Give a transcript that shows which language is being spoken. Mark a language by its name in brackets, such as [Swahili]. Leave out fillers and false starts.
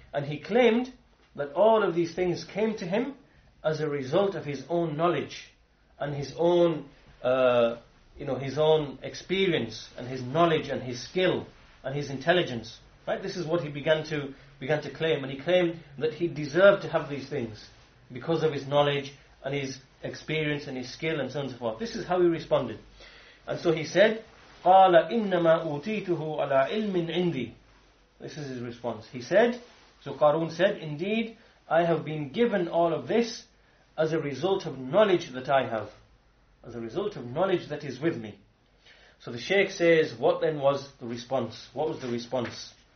[English] And he claimed that all of these things came to him as a result of his own knowledge and his own, his own experience and his knowledge and his skill and his intelligence, right? This is what he began to claim, and he claimed that he deserved to have these things because of his knowledge and his experience and his skill and so on and so forth. This is how he responded. And so he said, [Arabic] قَالَ إِنَّمَا أُوتِيتُهُ عَلَىٰ عِلْمٍ عِنْدِي. [English] This is his response. He said, so Qarun said, indeed, I have been given all of this as a result of knowledge that I have, as a result of knowledge that is with me. So the Shaykh says, what then was the response? What was the response?